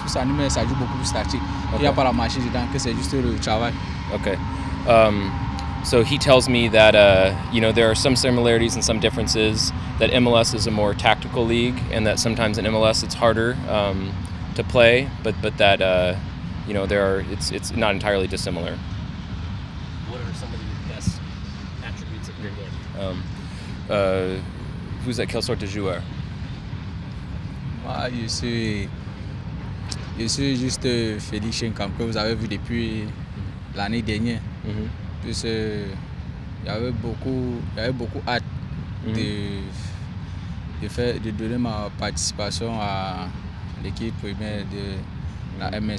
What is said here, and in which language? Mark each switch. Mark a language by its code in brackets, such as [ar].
[fr] Parce qu'en MLS, ça joue beaucoup plus tactique. Okay. Il n'y a pas la magie dedans, que c'est juste le travail. [en] Okay. So he tells me that, you know, there are some similarities and some differences, that MLS is a more tactical league and that sometimes in MLS it's harder to play, but that, you know, it's not entirely dissimilar. What are some of the best attributes of your game? [fr] Vous êtes quel sort de joueur? Moi, je suis juste Felix Chenkam, que vous avez vu depuis l'année dernière. Mm-hmm. Parce que j'avais beaucoup hâte de donner ma participation à l'équipe primaire de la MLS.